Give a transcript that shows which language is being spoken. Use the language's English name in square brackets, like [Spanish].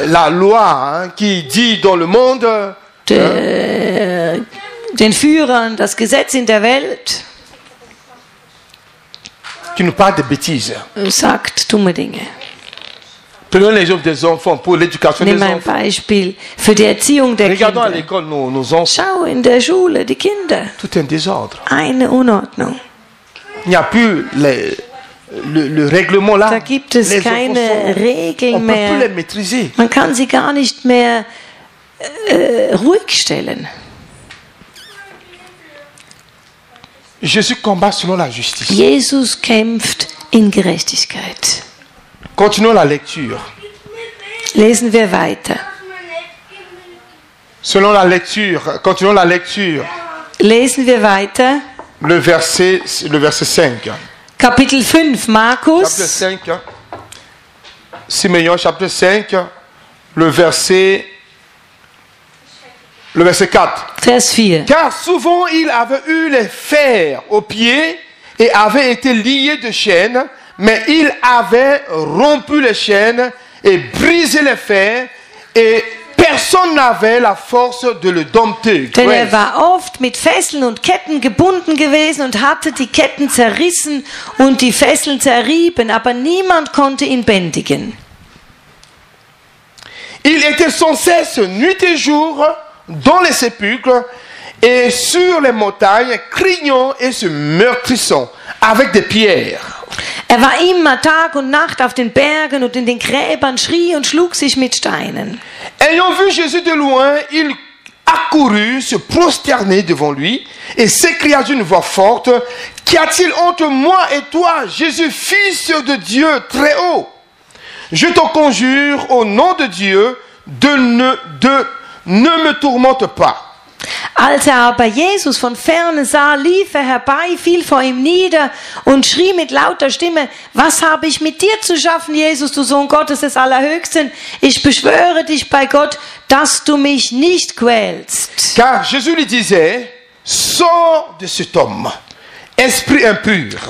[French] la loi qui dit dans le monde [German] den Führern das Gesetz in der Welt [French] qui nous parle de bêtises, [German] sagt dumme Dinge. [French] Prenons l'exemple des enfants pour l'éducation des enfants. [German] Beispiel für die Erziehung der [French] Regardons [German] Kinder. [French] À l'école nos enfants. [German] Schau in der Schule die Kinder. [French] Tout un désordre. [German] Eine Unordnung. [French] Il n'y a plus les Le règlement là, [German] da gibt es keine Regeln mehr. [French] Plus les maîtriser. [German] Man kann sie gar nicht mehr ruhig stellen. [French] Jésus combat selon la justice. [German] Jesus kämpft in Gerechtigkeit. [French] Continuons la lecture. [German] Lesen wir weiter. [French] Selon la lecture, continuons la lecture. [German] Lesen wir weiter. [French] Le verset 5. [German] Kapitel 5, Markus. [French] Simeon, chapitre 5, le verset 4. [German] Vers 4. [French] Car souvent il avait eu les fers aux pieds et avait été lié de chaînes, mais il avait rompu les chaînes et brisé les fers et personne n'avait la force de le dompter. [German] Denn er war oft mit Fesseln und Ketten gebunden gewesen und hatte die Ketten zerrissen und die Fesseln zerrieben, aber niemand konnte ihn bändigen. [French] Il était sans cesse nuit et jour dans les sépulcres et sur les montagnes, criant et se meurtrissant avec des pierres. [German] Er war immer Tag und Nacht auf den Bergen und in den Gräbern, schrie und schlug sich mit Steinen. [French] Ayant vu Jésus de loin, il accourut se prosterner devant lui et s'écria d'une voix forte, « Qu'y a-t-il entre moi et toi, Jésus, fils de Dieu très haut ? Je te conjure au nom de Dieu de ne me tourmente pas. » [German] Als er aber Jesus von Ferne sah, lief er herbei, fiel vor ihm nieder und schrie mit lauter Stimme, was habe ich mit dir zu schaffen, Jesus, du Sohn Gottes des Allerhöchsten? Ich beschwöre dich bei Gott, dass du mich nicht quälst. [French] Car Jésus lui disait, sors de cet homme, esprit impur.